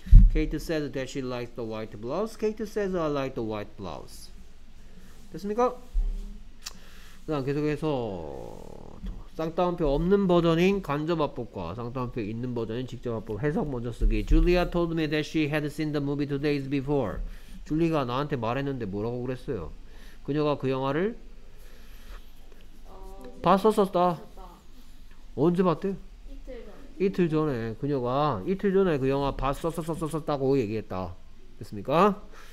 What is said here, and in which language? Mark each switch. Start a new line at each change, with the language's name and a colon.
English: Kate says that she likes the white blouse. Kate says I like the white blouse.
Korean: 됐습니까? 그 다음 계속해서 쌍따옴표 없는 버전인 간접합법과 쌍따옴표 있는 버전인 직접합법 해석 먼저 쓰기.
English: Julia told me that she had seen the movie 2 days before.
Korean: 줄리가 나한테 말했는데 뭐라고 그랬어요? 그녀가 그 영화를 봤었었다. 언제 봤대? 이틀 전에 그녀가 이틀 전에 그 영화 봤었었었었다고 얘기했다. 됐습니까?